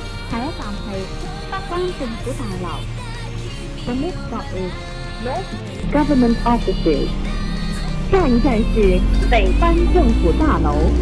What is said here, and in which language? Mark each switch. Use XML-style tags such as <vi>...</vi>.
<zh>下一站是北方政府大楼。</zh> <en>The next stop is North Government Offices.</en> <zh>下一站是北方政府大楼。</zh>